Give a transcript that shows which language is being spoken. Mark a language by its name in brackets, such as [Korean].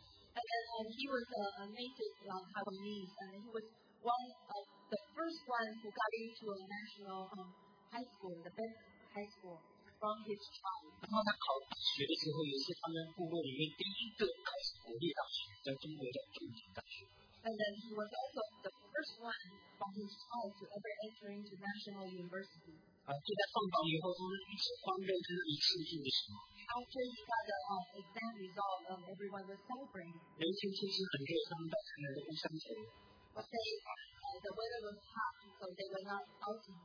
[English] And then he was a native Taiwanese, and he was one of the first ones who got into a national high school, the best high school from his tribe. [Chinese] 然后他考大学的时候，也是他们部落里面第一个开始国立大学，在中国叫中鼎大学。 [English] And then he was also the first one from his tribe to ever enter into national university. After he got the exam result, everyone was celebrating. But they, the weather was hot, so they were not outing.